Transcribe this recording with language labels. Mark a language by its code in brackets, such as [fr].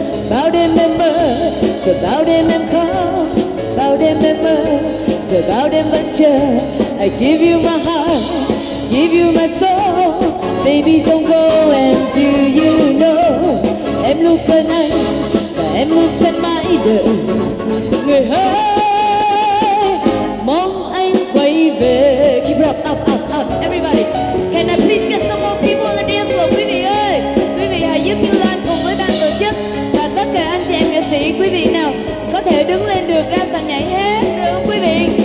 [vi] bao đêm em khóc, bao đêm em mơ, rồi bao đêm vẫn chờ. [en] I give you my heart, give you my soul, baby don't go. And do you know, [vi] em luôn bên anh và em luôn sẽ mãi đợi. Người ơi, mong anh quay về. [en] Keep it up, up, up, up, everybody. Can I please get some more people to dance floor, [vi] quý vị ơi? Quý vị hãy giúp Như Lan cùng với ban tổ chức và tất cả anh chị em nghệ sĩ, quý vị nào có thể đứng lên được ra sàn nhảy hết được không quý vị?